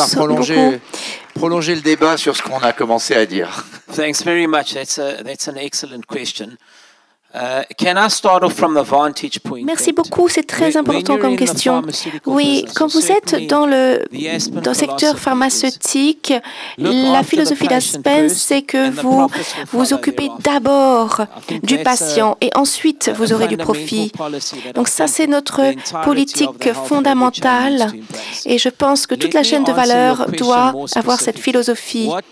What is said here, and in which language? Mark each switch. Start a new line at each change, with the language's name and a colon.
French: Merci d'avoir prolongé le débat sur ce qu'on a commencé à dire.
English: Thanks very much. That's an excellent question. Can I start off from the vantage point?
French: Merci beaucoup, c'est très important comme question. Oui, quand vous êtes dans le secteur pharmaceutique, la philosophie d'Aspen, c'est que vous vous occupez d'abord du patient et ensuite vous aurez du profit. Donc ça, c'est notre politique fondamentale et je pense que toute la chaîne de valeur doit avoir cette philosophie.